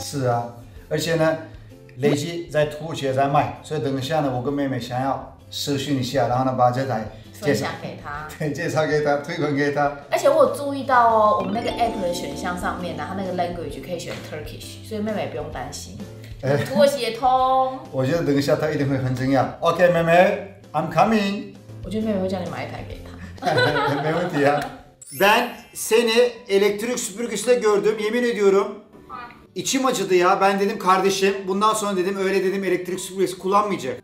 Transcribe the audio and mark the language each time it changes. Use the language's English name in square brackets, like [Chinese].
[Chinese] 是啊，而且呢，累积在土耳其也在卖，所以等一下呢，我跟妹妹想要私讯一下，然后呢把这台。介绍给他，推广给他。而且我有注意到哦，我们那个 app 的选项上面呢、啊，它那个 language 可以选 Turkish， 所以妹妹不用担心，土耳其也通。我觉得等一下他一定会很惊讶。 [English] OK， 妹妹 ，I'm coming。 [Chinese] 我觉得妹妹会叫你买一台给他。没问题啊。 [Turkish] Ben seni elektrik süpürgüsüyle gördüm， yemin ediyorum。 İçim acıdı ya， ben dedim kardeşim， bundan sonra dedim öyle dedim elektrik süpürgüsü kullanmayacak。